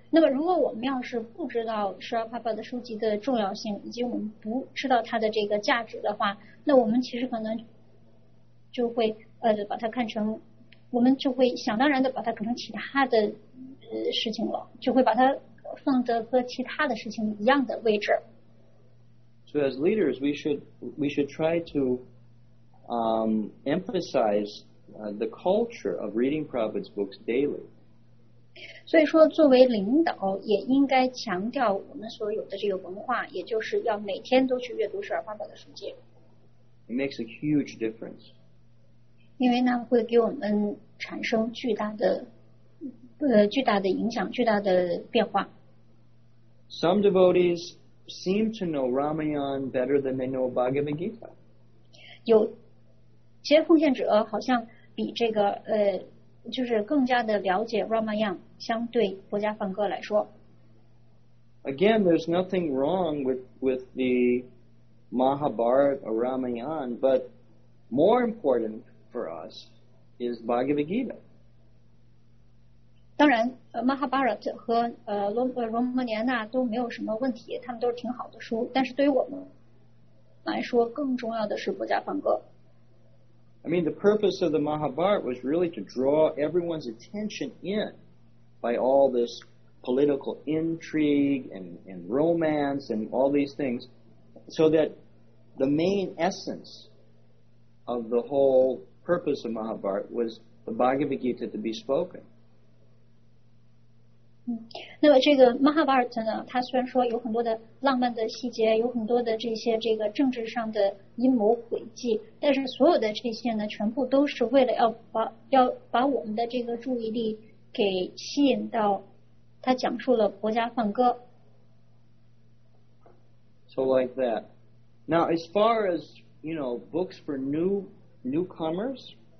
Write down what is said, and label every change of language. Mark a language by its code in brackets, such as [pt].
[zh] 那么如果我们要是不知道释迦牟尼佛的书籍的重要性，以及我们不知道它的这个价值的话，那我们其实可能就会把它看成，我们就会想当然的把它看成其他的事情了，就会把它放在和其他的事情一样的位置。 [en] So as leaders, we should try to emphasize the culture of reading Prabhupada's books daily. [zh] 所以说作为领导也应该强调我们所有的这个文化，也就是要每天都去阅读释迦牟尼佛的书籍。 [en] It makes a huge difference. [zh] 因为呢会给我们产生巨大的巨大的影响，巨大的变化。 [en] Some devotees seem to know Ramayana better than they know Bhagavad Gita. [zh] 有些奉献者好像比这个就是更加的了解 Ramayana 相对《国家梵歌》来说。 [en] Again, there's nothing wrong with the Mahabharata or Ramayana, but more important for us is Bhagavad Gita. [zh] 当然 ，Mahabharata 和罗摩衍那都没有什么问题，他们都是挺好的书。但是对于我们来说，更重要的是《国家梵歌》。 [en] I mean, the purpose of the Mahabharata was really to draw everyone's attention in by all this political intrigue and romance and all these things, so that the main essence of the whole purpose of Mahabharata was the Bhagavad Gita to be spoken. [zh] 那么这个 Mahabharata 呢，它虽然说有很多的浪漫的细节，有很多的这些这个政治上的阴谋诡计，但是所有的这些呢，全部都是为了要把我们的这个注意力给吸引到，它讲述了《国家梵歌》。 [en] So like that. Now, as far as you know, books for newcomers.